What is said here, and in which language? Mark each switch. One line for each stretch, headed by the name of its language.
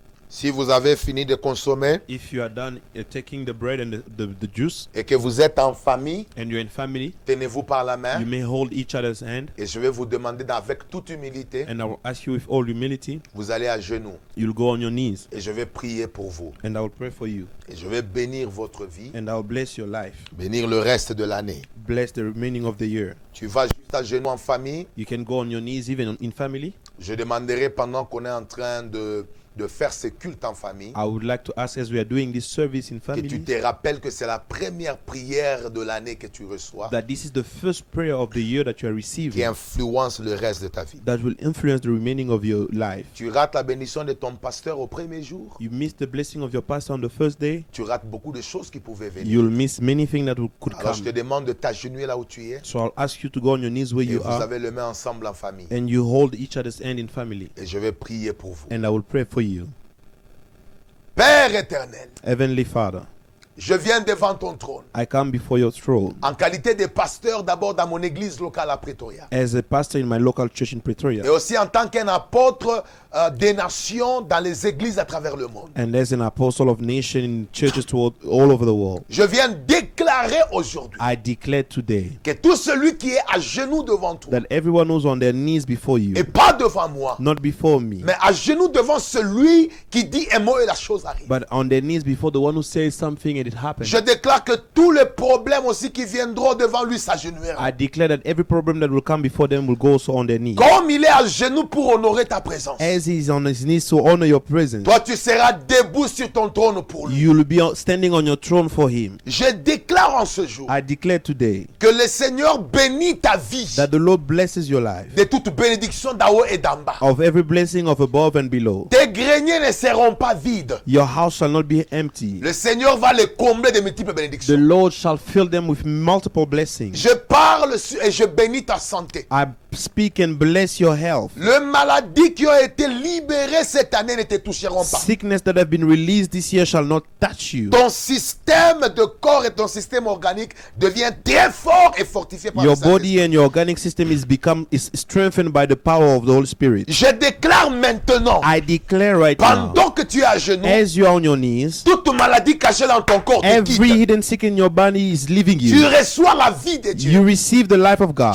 French: Si vous avez fini de consommer,
English: if you are done taking the bread and the juice,
French: et que vous êtes en famille,
English: and you're in family,
French: tenez-vous par la main,
English: you may hold each other's hand,
French: et je vais vous demander avec toute humilité,
English: and I will ask you with all humility,
French: vous allez à genoux,
English: you'll go on your knees,
French: et je vais prier pour vous,
English: and I will pray for you,
French: et je vais bénir votre vie,
English: and I will bless your life,
French: bénir le reste de l'année,
English: bless the remaining of the year.
French: Tu vas juste à genoux en famille,
English: you can go on your knees even in family.
French: Je demanderai pendant qu'on est en train de faire ce culte en famille.
English: I would like to ask as we are doing this service in family.
French: Que tu te rappelles que c'est la première prière de l'année que tu reçois.
English: That this is the first prayer of the year that you are receiving.
French: Qui influence le reste de ta vie.
English: That will influence the remaining of your life.
French: Tu rates la bénédiction de ton pasteur au premier jour.
English: You miss the blessing of your pastor on the first day.
French: Tu rates beaucoup de choses qui pouvaient venir.
English: You'll miss many things that could come.
French: Alors je te demande de t'agenouiller là où tu es.
English: So I'll ask you to go on your knees where
French: et
English: you
French: vous
English: are.
French: Avez les mains ensemble en famille.
English: And you hold each other's hand in family.
French: Et je vais prier pour vous.
English: And I will pray for you.
French: Père éternel,
English: Heavenly Father,
French: je viens devant ton trône.
English: I come before your throne.
French: En qualité de pasteur d'abord dans mon église locale à Pretoria.
English: As a pastor in my local church in Pretoria.
French: Et aussi en tant qu'un apôtre des nations dans les églises à travers le monde.
English: And as an apostle of nations in churches throughout all over the world.
French: Je viens déclarer aujourd'hui.
English: I declare today.
French: Que tout celui qui est à genoux devant toi.
English: That everyone who's on their knees before you.
French: Et pas devant moi.
English: Not before me.
French: Mais à genoux devant celui qui dit un mot et la chose arrive.
English: But on their knees before the one who says something. It happened.
French: Je déclare que tous les problèmes aussi qui viendront devant lui s'agenouilleront.
English: I declare that every problem that will come before them will go also on their knees.
French: Comme il est à genoux pour honorer ta présence.
English: As he is on his knees to honor your presence.
French: Toi tu seras debout sur ton trône pour lui.
English: You will be standing on your throne for him.
French: Je déclare en ce jour.
English: I declare today.
French: Que le Seigneur bénit ta vie.
English: That the Lord blesses your life.
French: De toute bénédiction d'en haut et d'en bas.
English: Of every blessing of above and below.
French: Tes greniers ne seront pas vides.
English: Your house shall not be empty.
French: Le Seigneur va les combler de multiples bénédictions.
English: The Lord shall fill them with multiple blessings.
French: Je parle et je bénis ta santé.
English: I speak and bless your health.
French: Le maladie qui a été libéré cette année ne te toucheront pas.
English: Sickness that have been released this year shall not touch you.
French: Ton système de corps et ton système organique devient très fort et fortifié par le Saint-Esprit.
English: Your body and your organic system is strengthened by the power of the Holy Spirit.
French: Je déclare maintenant.
English: I declare right
French: pendant
English: now.
French: Pendant que tu es à genoux.
English: As you are on your knees.
French: Toute maladie cachée dans ton corps.
English: Every hidden sickness in your body is leaving you.
French: Tu reçois la vie de Dieu.
English: You receive the life of God.